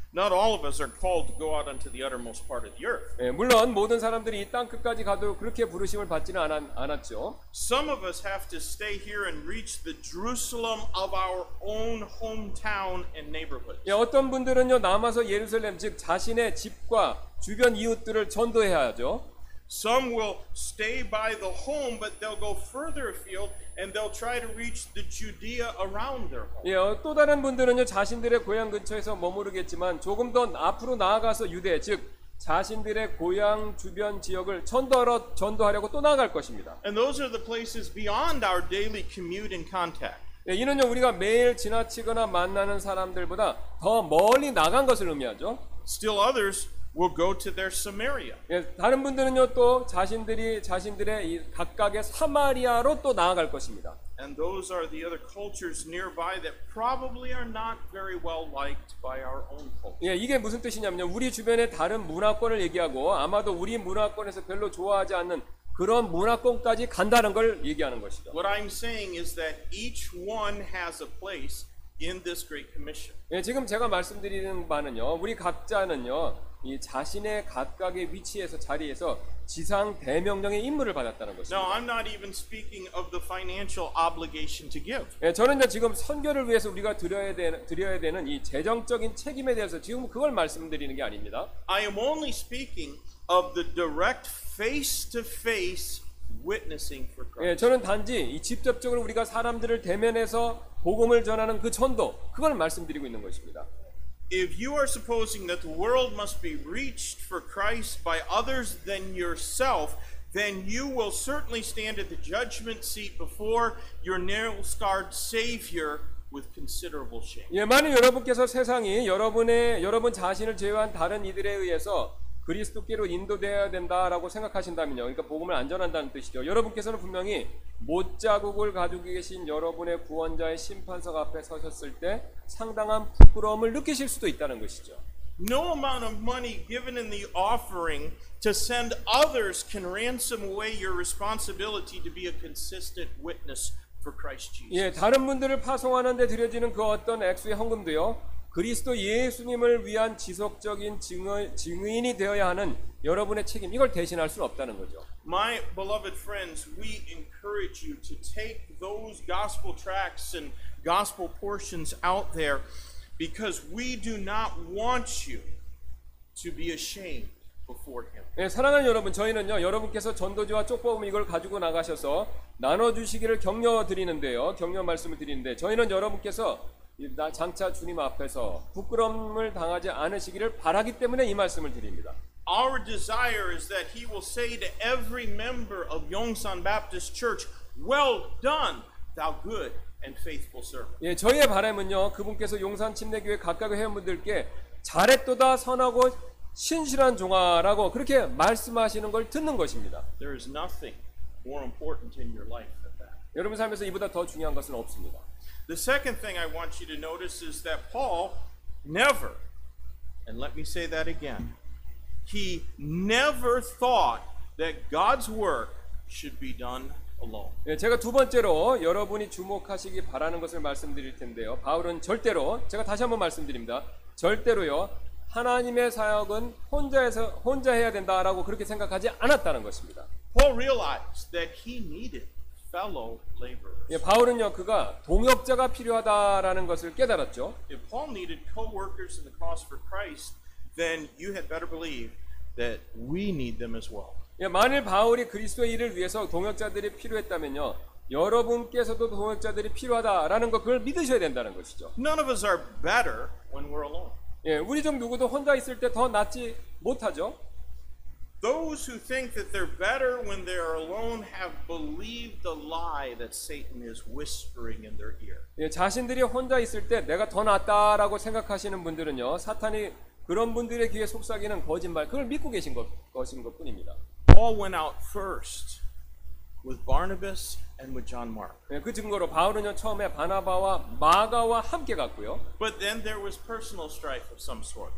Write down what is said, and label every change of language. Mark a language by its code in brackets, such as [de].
[en] Not all of us are called to go out unto the uttermost part of the earth. [ko] 예, 물론 모든 사람들이 이 땅 끝까지 가도 그렇게 부르심을 받지는 않았죠. [en] Some of us have to stay here and reach the Jerusalem of our own hometown and neighborhoods. [ko] 예, 어떤 분들은요 남아서 예루살렘 즉 자신의 집과 주변 이웃들을 전도해야 하죠. [en] Some will stay by the home, but they'll go further afield and they'll try to reach the Judea around their home. [ko] 예, 또 다른 분들은요 자신들의 고향 근처에서 머무르겠지만 조금 더 앞으로 나아가서 유대, 즉 자신들의 고향 주변 지역을 전도하려고 또 나아갈 것입니다. [en] And those are the places beyond our daily commute and contact. [ko] 예, 이는요 우리가 매일 지나치거나 만나는 사람들보다 더 멀리 나간 것을 의미하죠. [en] Still others will go to their Samaria. [ko] 예, 다른 분들은요 또 자신들의 이 각각의 사마리아로 또 나아갈 것입니다. [en] And those are the other cultures nearby that probably are not very well liked by our own culture. [ko] 예, 이게 무슨 뜻이냐면요 우리 주변의 다른 문화권을 얘기하고 아마도 우리 문화권에서 별로 좋아하지 않는 그런 문화권까지 간다는 걸 얘기하는 것이죠. [en] What I'm saying is that each one has a place in this great commission. [ko] 예, 지금 제가 말씀드리는 바는요 우리 각자는요 이 자신의 각각의 위치에서 자리에서 지상 대명령의 임무를 받았다는 것입니다. [en] Now I'm not even speaking of the financial obligation to give. [ko] 예, 저는요 지금 선교를 위해서 우리가 드려야 되는 이 재정적인 책임에 대해서 지금 그걸 말씀드리는 게 아닙니다. [en] I am only speaking of the direct face-to-face witnessing for Christ. [ko] 예, 저는 단지 이 직접적으로 우리가 사람들을 대면해서 복음을 전하는 그 전도 그걸 말씀드리고 있는 것입니다. [en] If you are supposing that the world must be reached for Christ by others than yourself, then you will certainly stand at the judgment seat before your nail-scarred Savior with considerable shame. [ko] 예, 만일 여러분께서 세상이 여러분의 여러분 자신을 제외한 다른 이들에 의해서 그리스도께로 인도되어야 된다라고 생각하신다면요, 그러니까 복음을 안 전한다는 뜻이죠. 여러분께서는 분명히 못 자국을 가지고 계신 여러분의 구원자의 심판석 앞에 서셨을 때 상당한 부끄러움을 느끼실 수도 있다는 것이죠. [en] No amount of money given in the offering to send others can ransom away your responsibility to be a consistent witness for Christ Jesus. [ko] 예, 다른 분들을 파송하는 데 드려지는 그 어떤 액수의 헌금도요, 그리스도 예수님을 위한 지속적인 증인이 되어야 하는 여러분의 책임, 이걸 대신할 수 없다는 거죠. [en] My beloved friends, we encourage you to take those gospel tracts and gospel portions out there because we do not want you to be ashamed before him. [ko] 네, 사랑하는 여러분, 저희는요, 여러분께서 전도지와 쪽보음 이걸 가지고 나가셔서 나눠주시기를 격려드리는데요, 격려 말씀을 드리는데 저희는 여러분께서 나 장차 주님 앞에서 부끄럼을 당하지 않으시기를 바라기 때문에 이 말씀을 드립니다. [en] Our desire is that he will say to every member of Yongsan Baptist Church, "Well done, thou good and faithful servant." [ko] 예, 저희의 바람은요, 그분께서 용산 침례교회 각각의 회원분들께 잘했도다 선하고 신실한 종아라고 그렇게 말씀하시는 걸 듣는 것입니다. [en] There is nothing more important in your life than that. [ko] 여러분 삶에서 이보다 더 중요한 것은 없습니다. [en] The second thing I want you to notice is that Paul never, and let me say that again, he never thought that God's work should be done alone. [ko] 예, 제가 두 번째로 여러분이 주목하시기 바라는 것을 말씀드릴 텐데요. 바울은 절대로, 제가 다시 한번 말씀드립니다. 절대로요, 하나님의 사역은 혼자 해야 된다라고 그렇게 생각하지 않았다는 것입니다. [en] Paul realized that he needed fellow laborers. [ko] 예, 바울은요, 그가 동역자가 필요하다라는 것을 깨달았죠. [en] If Paul needed co-workers in the cause for Christ, then you had better believe that we need them as well. [ko] 예, 만일 바울이 그리스도의 일을 위해서 동역자들이 필요했다면요, 여러분께서도 동역자들이 필요하다라는 것을 믿으셔야 된다는 것이죠. [en] None of us are better when we're alone. [ko] 예, 우리 중 누구도 혼자 있을 때 더 낫지 못하죠. [en] Those who think that they're better when they are alone have believed the lie that Satan is whispering in their ear. [ko] 예, 자신들이 혼자 있을 때 내가 더 낫다라고 생각하시는 분들은요, 사탄이 그런 분들의 귀에 속삭이는 거짓말, 그걸 믿고 계신 것인 것뿐입니다. [en] Paul went out first with Barnabas and with John Mark. [ko] 예, 그 증거로 바울은요, 처음에 바나바와 마가와 함께 갔고요. [en] But then there was personal strife of some sort.